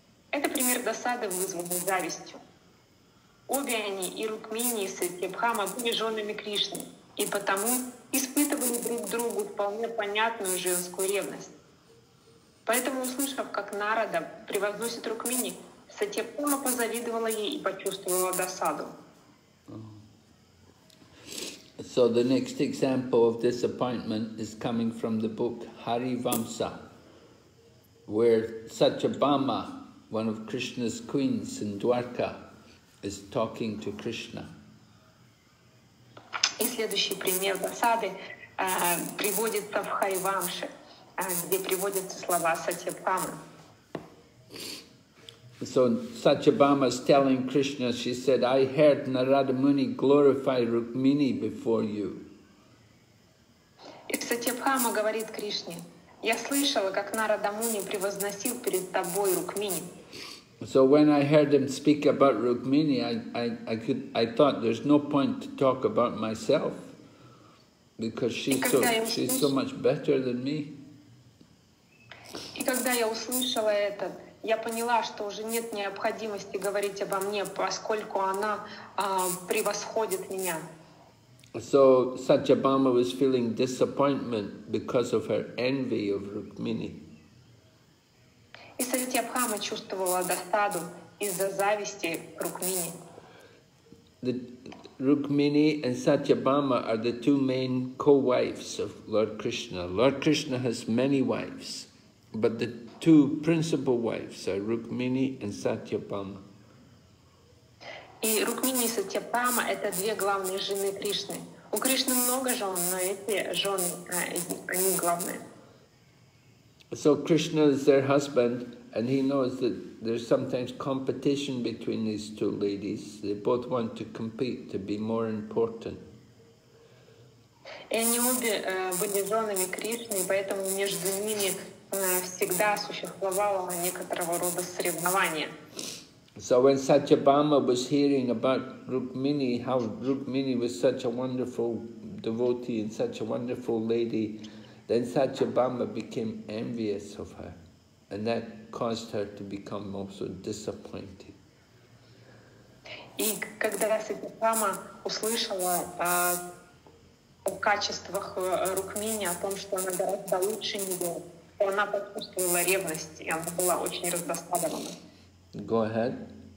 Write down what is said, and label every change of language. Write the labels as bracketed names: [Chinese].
[Russian] Это пример досады, вызванной завистью. Обе они, и Рукмини, и Сатьябхама, были женами Кришны, и потому испытывали друг другу вполне понятную женскую ревность. Поэтому, услышав, как Нарада превозносит Рукмини, Сатьябхама позавидовала ей и почувствовала досаду. [English] So the next example of disappointment is coming from the book Harivamsa, where Sachabama, one of Krishna's queens in Dwarka, is talking to Krishna. [Russian] И следующий пример досады приводится в Харивамше, где приводятся слова Сатьябхамы. [English] So Сатьябхама is telling Krishna, she said, I heard Narada Muni glorify Rukmini before you. [Russian] И Сатьябхама говорит Кришне, я слышала, как Нарада Муни превозносил перед тобой Рукмини. [English] So when I heard him speak about Rukmini, I thought there's no point to talk about myself, because she's so much better than me. [Russian] И когда я услышала это, я поняла, что уже нет необходимости говорить обо мне, поскольку она превосходит меня. [English] So Сатьябхама was feeling disappointment because of her envy of Рукмини. [Russian] И Сатьябхама чувствовала досаду из-за зависти Рукмини. [English] The Rukmini and Satyabhama are the two main co-wives of Lord Krishna. Lord Krishna has many wives, but the two principal wives are Rukmini and Satyabhama. [Russian] И Рукмини и Сатьябама — это две главные жены Кришны. У Кришны много жен, но эти жены, они главные. [English] So Krishna is their husband, and he knows that there's sometimes competition between these two ladies. They both want to compete to be more important. [Russian] И они обе были женами Кришны, поэтому между ними всегда существовало некоторого рода соревнование. [English] So when Satyabhama was hearing about Rukmini, how Rukmini was such a wonderful devotee and such a wonderful lady, then Satyabhama became envious of her, and that caused her to become also disappointed. [Russian] И когда Сатьябхама услышала о качествах Рукмини, о том, что она гораздо лучше него, то она почувствовала ревность, и она была очень раздосадована. [English] Go ahead.